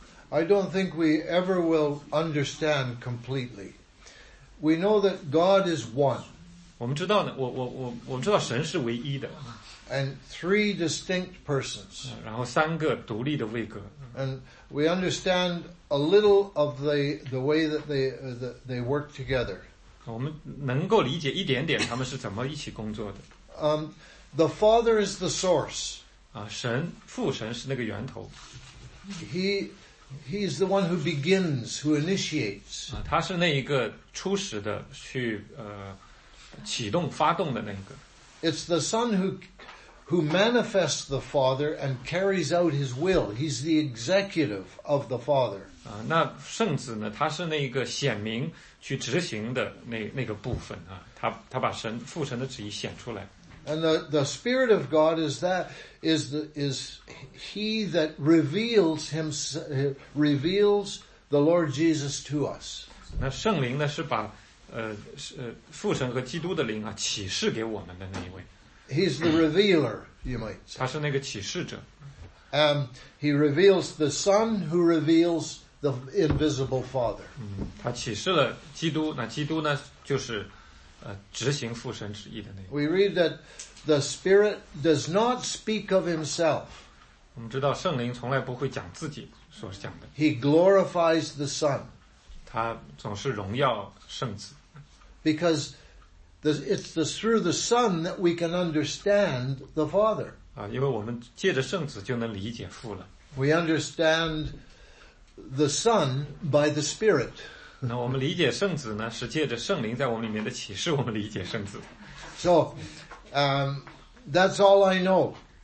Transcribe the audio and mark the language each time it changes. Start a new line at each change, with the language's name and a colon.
English: I don't think we ever will understand completely. We know that God is one.
Chinese: 我们知道呢，我们知道神是唯一的。
English: And three distinct persons.
Chinese: 然后三个独立的位格。
English: And we understand a little of the way that they work together.
Chinese: 我们能够理解一点点他们是怎么一起工作的。
English: The Father is the source.
Chinese: 啊，神，父神是那个源头。
English: He's the one who begins, who initiates.
Chinese: 他是那一个初始的去启动发动的那个。
English: It's the Son who manifests the Father and carries out His will. He's the executive of the Father.
Chinese: 那圣子呢？他是那一个显明去执行的那个部分啊。他把神父神的旨意显出来。
English: And the Spirit of God is He that reveals Him, reveals the Lord Jesus to us.
Chinese: 那圣灵呢是把父神和基督的灵啊启示给我们的那一位。
English: He's the revealer, you might say.
Chinese: 他是那个启示者。
English: He reveals the Son who reveals the invisible Father.
Chinese: 他启示了基督，那基督呢就是。执行父神旨意的那一位。
English: We read that the Spirit does not speak of himself.
Chinese: 我们知道圣灵从来不会讲自己所讲的。
English: He glorifies the Son.
Chinese: 他总是荣耀圣子。
English: Because it's through the Son that we can understand the Father.
Chinese: 因为我们借着圣子就能理解父了。
English: We understand the Son by the Spirit.
Chinese: 那我们理解圣子呢，是借着圣灵在我们里面的启示，我们理解圣子。
English: So, that's all I know.